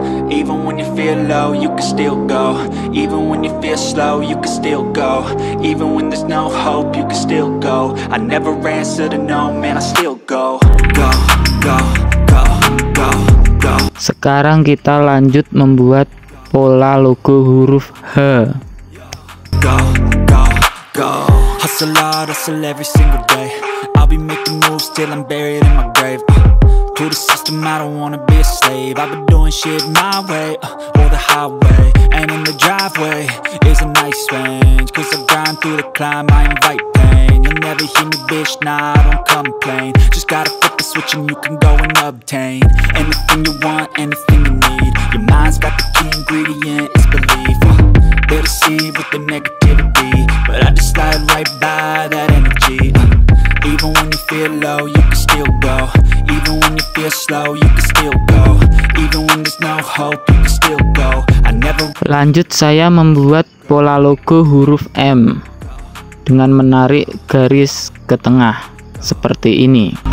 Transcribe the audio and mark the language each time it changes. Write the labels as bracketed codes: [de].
[en] Even when you feel low, you can still go. Even when you feel slow, you can still go. Even when there's no hope, you can still go. I never answer to no, man, I still go. Go, go, go, go, go. [id] Sekarang kita lanjut membuat pola logo huruf H. [en] Go, go, go. Hustle hard, hustle every single day. I'll be making moves till I'm buried in my grave. To the system, I don't wanna be a slave. I've been doing shit my way, or the highway. And in the driveway is a nice range. Cause I grind through the climb, I invite pain. You'll never hear me, bitch, nah, I don't complain. Just gotta flip the switch and you can go and obtain anything you want, anything you need. Your mind's got the key ingredient, it's belief. They're deceived with the negativity, but I just slide right by that energy. Even when you feel low, you can still go. Even when you feel slow, you can still go. Even when there's no hope, you can still go. I never... [id] Lanjut saya membuat pola logo huruf M dengan menarik garis ke tengah seperti ini.